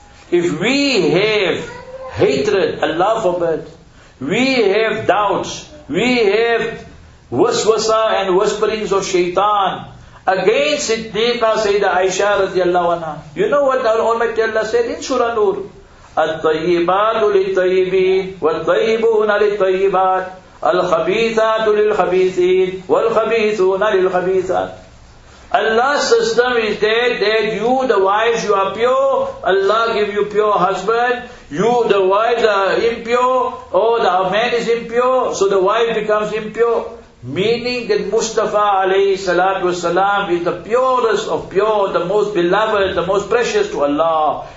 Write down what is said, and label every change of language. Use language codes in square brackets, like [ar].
[en] If we have hatred, Allah forbid, we have doubts, we have waswasa and whisperings of shaitan against Siddiqa Sayyida Aisha radiallahu anha. You know what our Almighty Allah said in Surah Nur? [ar] At-tayyibatu lit-tayyibin wat-tayyibuna lit-tayyibat. الخبيثات للخبيثين والخبيثون للخبيثات. [en] Allah's system is there that you, the wives, you are pure. Allah give you pure husband. You, the wives, are impure. Or the man is impure. So the wife becomes impure. Meaning that Mustafa alayhi salatu wasalam is the purest of pure, the most beloved, the most precious to Allah.